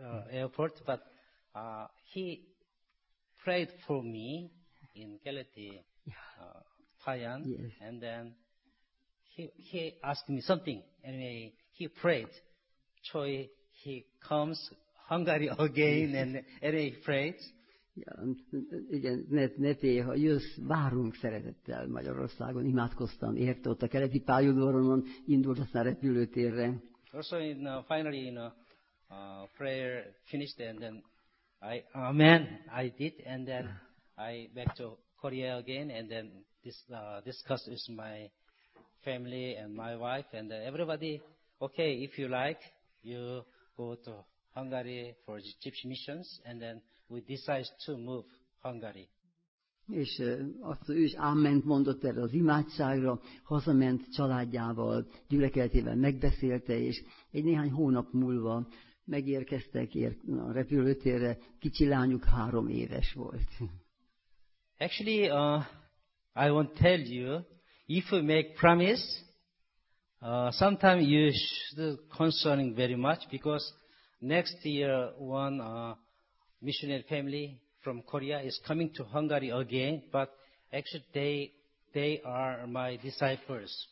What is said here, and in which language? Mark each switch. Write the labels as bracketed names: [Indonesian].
[English] airport, but he prayed for me in Keleti Payan, and then he asked me something, and he prayed, Choi, he comes Hungary again, and he prayed. [Hungarian] Ja, igen, ne félj, ha jössz, várunk szeretettel Magyarországon, imádkoztam érte, ott a keleti pályaudvaron indult aztán repülőtérre. [English] Also in, finally in prayer finished, and then I, amen, I did, and then I back to Korea again, and then discussed with my family and my wife, and everybody, okay, if you like, you go to Hungary for the Gypsy missions, and then we decide to move Hungary. [Hungarian] És azt ő is ámment mondott erre az imádságra, hazament családjával, gyülekezetével megbeszélte, és egy néhány hónap múlva megérkeztek a repülőtérre, kicsi lányuk 3 éves volt. [English] Actually, I won't tell you, if you make promise, sometimes you should concerning very much, because next year one missionary family from Korea is coming to Hungary again, but actually they are my disciples.